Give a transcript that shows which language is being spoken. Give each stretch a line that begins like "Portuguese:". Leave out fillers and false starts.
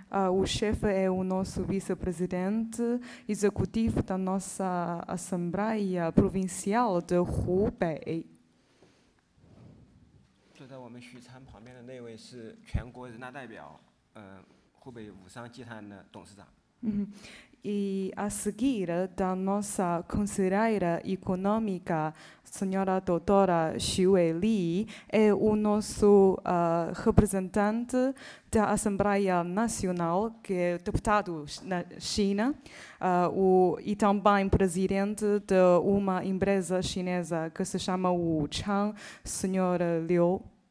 Portuguese: o chefe é o nosso vice-presidente executivo da nossa assembleia provincial de Hubei.
Chinese: 坐在我们许昌旁边的那位是全国人大代表，湖北武商集团的董事长。
Portuguese: E a seguir, da nossa conselheira econômica, senhora doutora Xue Li, é o nosso representante da Assembleia Nacional, que é deputado na China, e também presidente de uma empresa chinesa que se chama Wuchang, senhora Liu.